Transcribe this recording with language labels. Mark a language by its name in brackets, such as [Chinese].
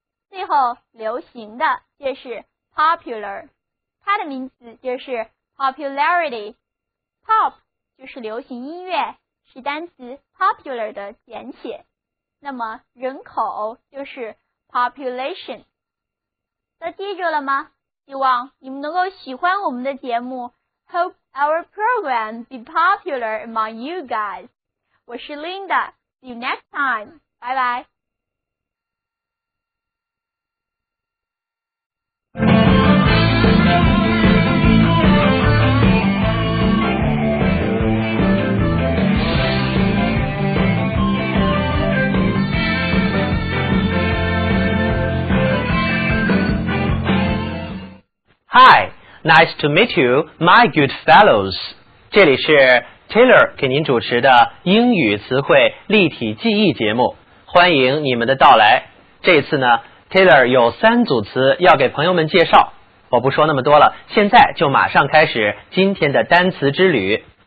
[Chinese] 最后流行的就是 popular， 它的名词就是 popularity。 pop 就是流行音乐，是单词 popular 的简写，那么人口就是 population。都记住了吗？希望你们能够喜欢我们的节目。 [English] Hope our program be popular among you guys. [Chinese] 我是 [English] Linda. See you next time. Bye bye. Hi, nice to meet you, my good fellows. [Chinese] 这里是 Taylor 给您主持的英语词汇立体记忆节目，欢迎你们的到来。这次呢 ，Taylor 有三组词要给朋友们介绍。我不说那么多了，现在就马上开始今天的单词之旅。